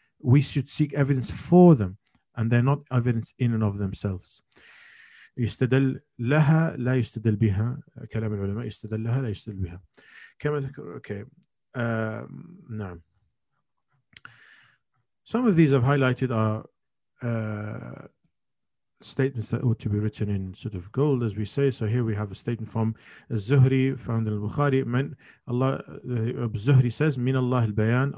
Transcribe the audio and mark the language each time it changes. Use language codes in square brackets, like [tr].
[en] We should seek evidence for them, and they're not evidence in and of themselves. [ar] يستدل لها لا يستدل بها كلام العلماء يستدل لها لا يستدل بها كما ذكر. [en] Okay. نعم. Some of these I've highlighted are statements that ought to be written in sort of gold, as we say. So here we have a statement from Az-Zuhri, found in Al-Bukhari. Az-Zuhri says, [ar] من الله البيان.